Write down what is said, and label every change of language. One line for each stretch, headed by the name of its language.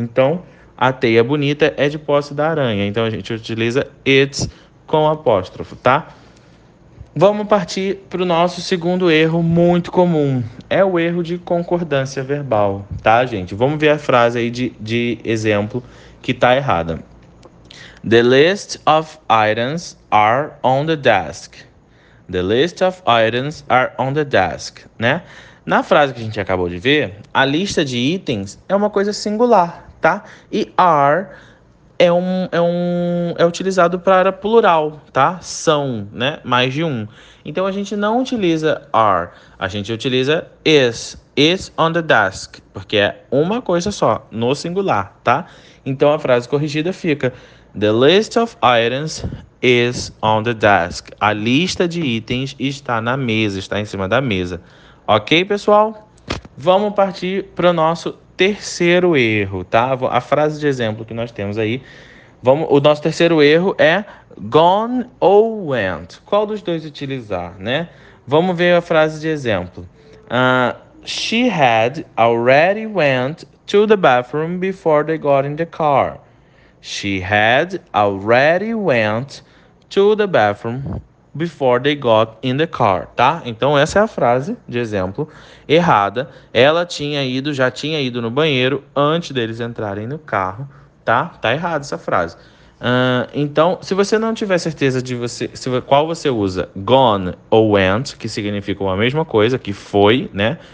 Portuguese: Então, a teia bonita é de posse da aranha. Então, a gente utiliza it's com apóstrofo, tá? Vamos partir para o nosso segundo erro muito comum. É o erro de concordância verbal, tá, gente? Vamos ver a frase aí de exemplo que tá errada.
English: The list of items are on the desk. The list of items are on the desk, né?
Portuguese: Na frase que a gente acabou de ver, a lista de itens é uma coisa singular, tá? E are é utilizado para plural, tá? São, né? Mais de um. Então a gente não utiliza are, a gente utiliza
English: is on the desk,
Portuguese: porque é uma coisa só, no singular, tá? Então a frase corrigida fica:
English: The list of items is on the desk.
Portuguese: A lista de itens está na mesa, está em cima da mesa. Ok, pessoal? Vamos partir para o nosso terceiro erro, tá? A frase de exemplo que nós temos aí. O nosso terceiro erro é gone ou went. Qual dos dois utilizar, né? Vamos ver a frase de exemplo.
English: She had already went to the bathroom before they got in the car. She had already went to the bathroom before they got in the car, tá?
Portuguese: Então essa é a frase de exemplo errada. Ela tinha ido, já tinha ido no banheiro antes deles entrarem no carro, tá? Tá errada essa frase. Então, se você não tiver certeza de você, se, qual você usa, gone ou went, que significam a mesma coisa, que foi, né?